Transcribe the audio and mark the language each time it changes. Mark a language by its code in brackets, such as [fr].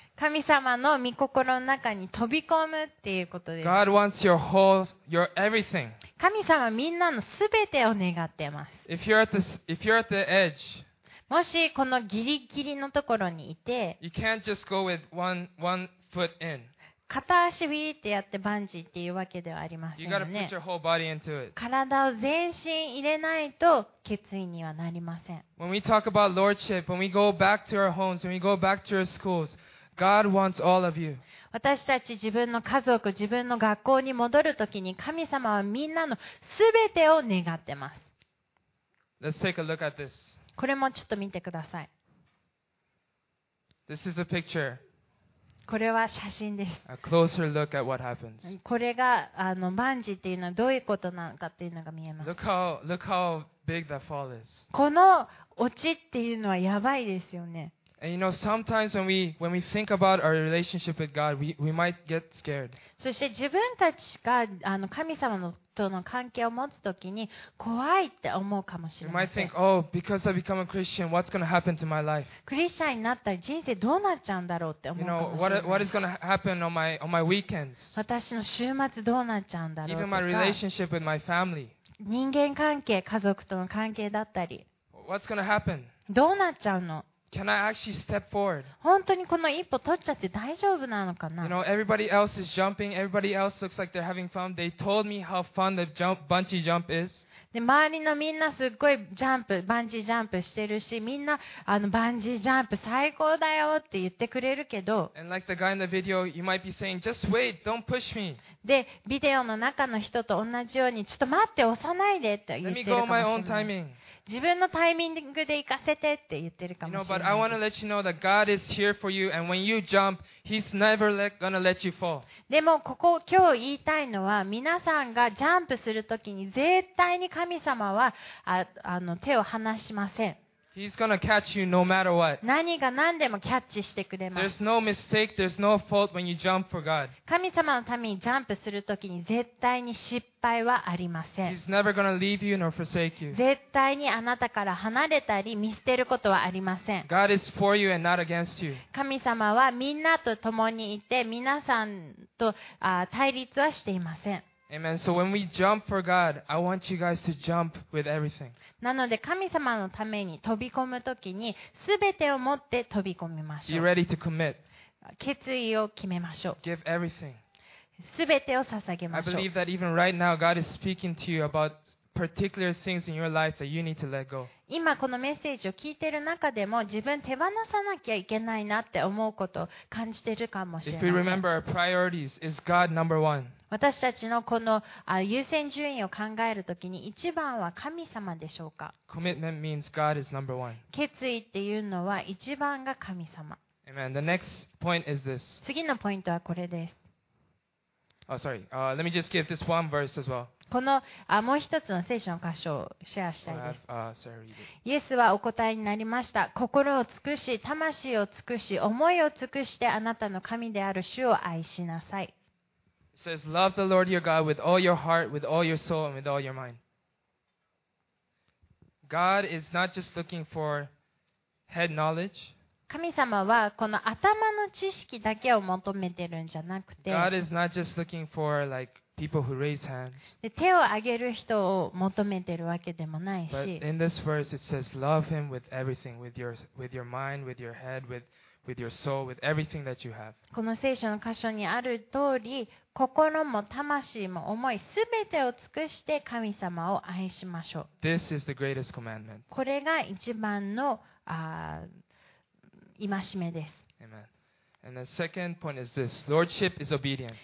[ja] 神様の御心の中に飛び込むっていうことです。 [en] God wants your whole, your everything. [ja] 神様はみんなのすべてを願ってます。 [en] If you're at the edge, [ja] もしこのギリギリのところにいて、 [en] You can't just go with one foot in. [ja] 片足ウィーってやってバンジーっていうわけではありませんよね。体を全身入れないと決意にはなりません。 [en] When we talk about lordship, when we go back to our homes, when we go back to our schools, God wants all of you. [ja] 私たち自分の家族、自分の学校に戻るときに神様はみんなのすべてを願ってます。 [en] Let's take a look at this. [ja] これもちょっと見てください。 [en] This is a picture. [ja] これは写真です。 [en] A closer look at what happens. [ja] これが万事っていうのはどういうことなのかっていうのが見えます。 [en] Look how big that fall is. [ja] この落ちっていうのはやばいですよね。 [en] And you know, sometimes when we think about our relationship with God, we might get scared. [ja] そして自分たちが神様のとの関係を持つときに怖いって思うかもしれません。 [en] You might think, oh, because I become a Christian, what's going to happen to my life? [ja] クリスチャンになったら人生どうなっちゃうんだろうって思うかもしれません。 [en] You know, what is going to happen on my weekends? [ja] 私の週末どうなっちゃうんだろうとか。 [en] Even my relationship with my family. [ja] 人間関係、家族との関係だったり。 [en] What's going to happen? [ja] どうなっちゃうの？ [en] Can I actually step forward? [ja] 本当にこの一歩取っちゃって大丈夫なのかな？ [en] You know, everybody else is jumping. Everybody else looks like they're having fun. They told me how fun the jump, bungee jump is. [ja] で、周りのみんなすっごいジャンプ、バンジージャンプしてるし、みんなバンジージャンプ最高だよって言ってくれるけど。 [en] And like the guy in the video, you might be saying, just wait, don't push me. [ja] で、ビデオの中の人と同じように、ちょっと待って、押さないでって言ってるかもしれない。 [en] Let me go my own timing. [ja] 自分のタイミングで行かせてって言ってるかもしれない。 [en] You know, but I want to let you know that God is here for you, and when you jump, He's never gonna let you fall. [ja] でもここ今日言いたいのは、皆さんがジャンプするときに絶対に神様は手を離しません。 [en] He's gonna catch you no matter what. [ja] 何が何でもキャッチしてくれます。 [en] There's no mistake, there's no fault when you jump for God. [ja] 神様のためにジャンプするときに絶対に失敗はありません。 [en] He's never gonna leave you nor forsake you. [ja] 絶対にあなたから離れたり見捨てることはありません。 [en] God is for you and not against you. [ja] 神様はみんなと共にいて、皆さんと対立はしていません。 [en] Amen. So when we jump for God, I want you guys to jump with everything. [ja] なので神様のために飛び込むときに、すべてを持って飛び込みましょう。 [en] Be ready to commit. [ja] 決意を決めましょう。 [en] Give everything. [ja] すべてを捧げましょう。 [en] I believe that even right now, God is speaking to you about particular things in your life that you need to let go. [ja] 今このメッセージを聞いている中でも、自分手放さなきゃいけないなって思うことを感じているかもしれない。 [en] If we remember our priorities, is God number one? [ja] 私たちのこの優先順位を考えるときに、一番は神様でしょうか？ [en] Commitment means God is number one. [ja] 決意っていうのは一番が神様。 [en] Amen. The next point is this. [ja] 次のポイントはこれです。 [en] Oh, sorry. Let me just give this one verse as well. [ja] このもう一つの聖書の箇所をシェアしたいです。 [en] Oh, sorry. [ja] イエスはお答えになりました。心を尽くし、魂を尽くし、思いを尽くして、あなたの神である主を愛しなさい。 [en] It says, love the Lord your God with all your heart, with all your soul, and with all your mind. God is not just looking for head knowledge. [ja] 神様はこの頭の知識だけを求めてるんじゃなくて、 [en] God is not just looking for like people who raise hands. [ja] 手を挙げる人を求めてるわけでもないし、 [en] But in this verse it says, love him with everything, with your mind, with your head, with your soul, with everything that you have. [ja] この聖書の箇所にある通り、心も魂も思い、すべてを尽くして神様を愛しましょう。 [en] This is the greatest commandment. [ja] これが一番の戒めです。 [en] Amen. And the second point is this. Lordship is obedience.